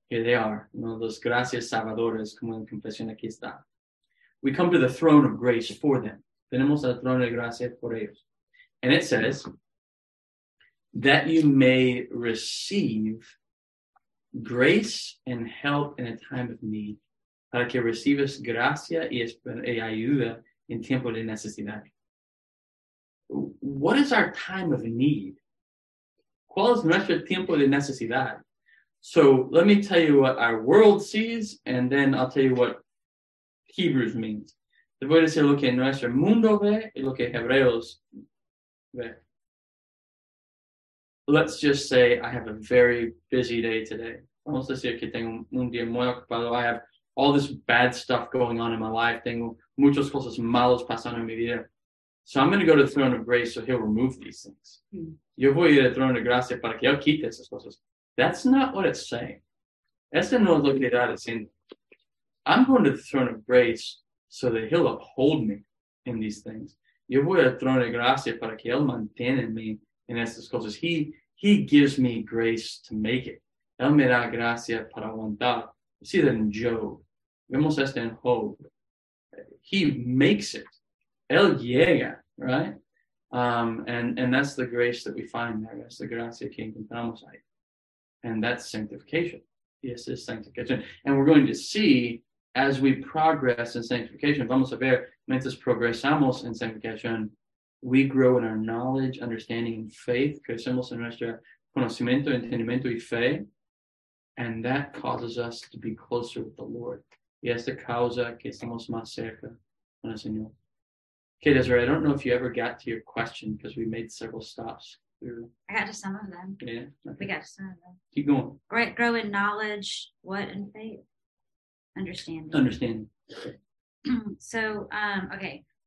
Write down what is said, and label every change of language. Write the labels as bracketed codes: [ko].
[en] Here they are, you know, those [es] gracias salvadores, como en confesión aquí está. [en] We come to the throne of grace for them. [es] Tenemos el trono de gracia por ellos. [en] And it says, that you may receive grace and help in a time of need. [es] Para que recibas gracia y ayuda en tiempo de necesidad. [en] What is our time of need? [es] ¿Cuál es nuestro tiempo de necesidad? [en] So let me tell you what our world sees, and then I'll tell you what Hebrews means. [es] Te voy a decir lo que nuestro mundo ve y lo que Hebreos ve. [en] Let's just say I have a very busy day today. [es] Vamos a decir que tengo un día muy ocupado. [en] I have all this bad stuff going on in my life. [es] Tengo muchas cosas malas pasando en mi vida. [en] So I'm going to go to the throne of grace so he'll remove these things. [es] Yo voy a ir al throne de gracia para que él quite esas cosas. [en] That's not what it's saying. [es] Ese no es lo que está diciendo. [en] I'm going to the throne of grace so that he'll uphold me in these things. [es] Yo voy al throne de gracia para que él mantenga me en estas cosas. [en] He gives me grace to make it. [es] Él me da gracia para aguantar. [en] You see that in Job. [es] Vemos esto en Job. [en] He makes it. [es] Él llega, right? [en] And that's the grace that we find there. That's the [es] gracia que encontramos ahí. [en] And that's sanctification. Yes, it's sanctification. And we're going to see, as we progress in sanctification, [es] vamos a ver, mientras progresamos en sanctification, [en] we grow in our knowledge, understanding, and faith. [es] Crecemos en nuestro conocimiento, entendimiento y fe. [en] And that causes us to be closer with the Lord. [es] Y esta causa que estamos más cerca con el Señor. [en] Okay, Desiree, I don't know if you ever got to your question because we made several stops. I got to some of them. Yeah. Okay. We got to some of them. Keep going. Right, grow in knowledge, what, and faith? Understanding. Understanding. So, okay.